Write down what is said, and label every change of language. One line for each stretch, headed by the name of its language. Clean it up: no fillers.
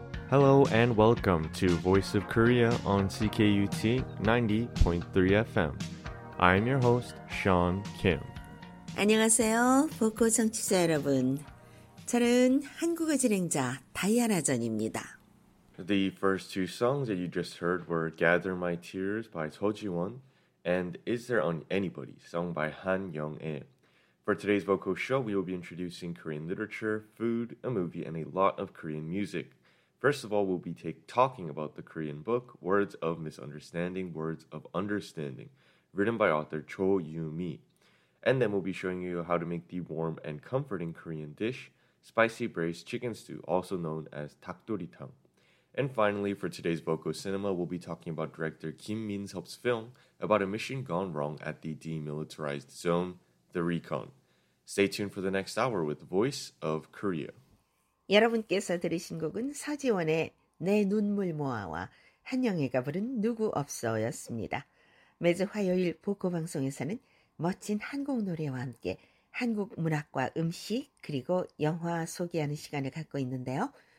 English: Hello and welcome to Voice of Korea on CKUT 90.3 FM. I'm your host, Sean Kim.
Korean: 안녕하세요, 보코 청취자 여러분. 저는 한국어 진행자 다이아나 전입니다.
English: The first two songs that you just heard were Gather My Tears by Cho Ji-won and Is There Anybody, sung by Han Young-in. For today's vocal show, we will be introducing Korean literature, food, a movie, and a lot of Korean music. First of all, we'll be talking about the Korean book, Words of Misunderstanding, Words of Understanding, written by author Cho Yoo-mi. And then we'll be showing you how to make the warm and comforting Korean dish, spicy braised chicken stew, also known as takdori-tang. And finally, for today's Voco Cinema, we'll be talking about director Kim Min-seop's film about a mission gone wrong at the demilitarized zone, the Recon. Stay tuned for the next hour with Voice of Korea.
Korean: 여러분께서 들으신 곡은 서지원의 내 눈물 모아와 한영애가 부른 누구 없어였습니다. 매주 화요일 보코 방송에서는 멋진 한국 노래와 함께 한국 문학과 음식 그리고 영화 소개하는 시간을 갖고 있는데요.